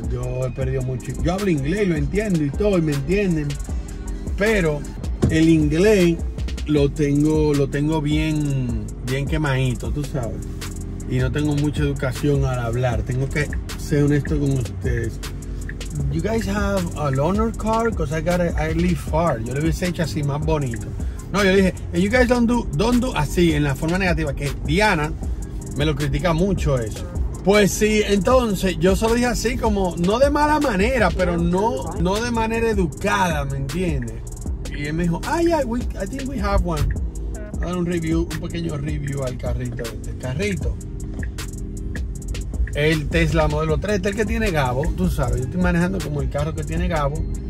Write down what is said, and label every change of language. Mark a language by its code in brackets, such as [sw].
[es] Yo he perdido mucho. Yo hablo inglés, lo entiendo y todo, y me entienden. Pero el inglés lo tengo bien, bien quemadito, tú sabes. Y no tengo mucha educación al hablar. Tengo que ser honesto con ustedes. [en] You guys have a loaner car? Because I live far. [es] Yo le hubiese hecho así, más bonito. No, yo dije, [en] and you guys don't do [es] así, en la forma negativa, que Diana me lo critica mucho eso. Pues sí, entonces, yo solo dije así, como, no de mala manera, pero no de manera educada, ¿me entiendes? Y él me dijo, [en] ah, yeah, I think we have one. [es] Voy a dar un review, un pequeño review al carrito. Este carrito, el Tesla Modelo 3, este es el que tiene Gabo, tú sabes, yo estoy manejando como el carro que tiene Gabo.